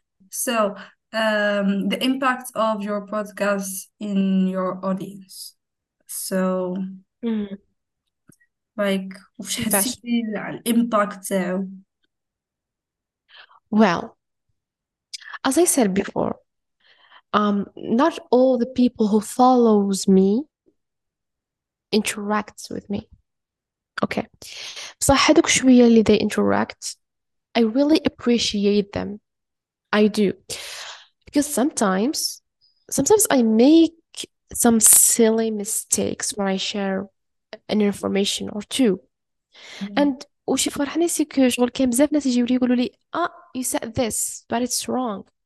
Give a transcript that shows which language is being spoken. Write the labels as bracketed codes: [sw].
[en] So, the impact of your podcast in your audience. [ar] So, like, وش حسيتي على الإمباكت تاعو؟ [en] Well, as I said before, not all the people who follows me interacts with me. Okay. [ar] بصح هذوك شويه اللي [en] they interact I really appreciate them. I do. Because sometimes I make some silly mistakes when I share an information or two. [ar] And وشي فرحني سي كو شغل كاين بزاف ناس يجيو لي يقولوا لي [en] you said this but it's wrong.